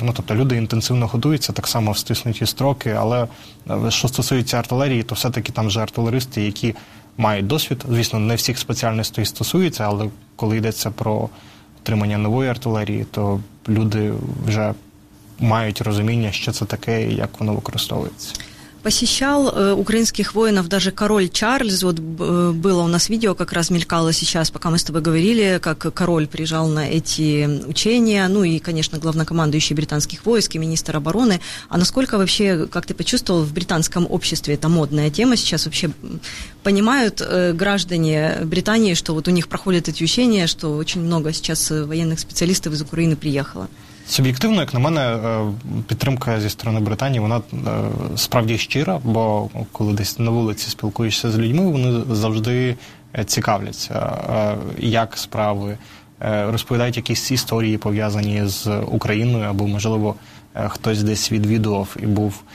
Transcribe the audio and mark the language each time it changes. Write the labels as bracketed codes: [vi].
[uk] Ну, тобто люди інтенсивно готуються, так само встиснуті строки, але що стосується артилерії, то все-таки там вже артилеристи, які мають досвід. Звісно, не всіх спеціальностей стосується, але коли йдеться про отримання нової артилерії, то люди вже мають розуміння, що це таке і як воно використовується. [ru] Посещал украинских воинов даже король Чарльз. Вот было у нас видео, как раз мелькало сейчас, пока мы с тобой говорили, как король приезжал на эти учения. Ну и, конечно, главнокомандующий британских войск и министр обороны. А насколько вообще, как ты почувствовал, в британском обществе это модная тема сейчас? Вообще понимают граждане Британии, что вот у них проходят эти учения, что очень много сейчас военных специалистов из Украины приехало? [uk] Суб'єктивно, як на мене, підтримка зі сторони Британії, вона справді щира, бо коли десь на вулиці спілкуєшся з людьми, вони завжди цікавляться, як справи, розповідають якісь історії, пов'язані з Україною, або, можливо, хтось десь відвідував і був.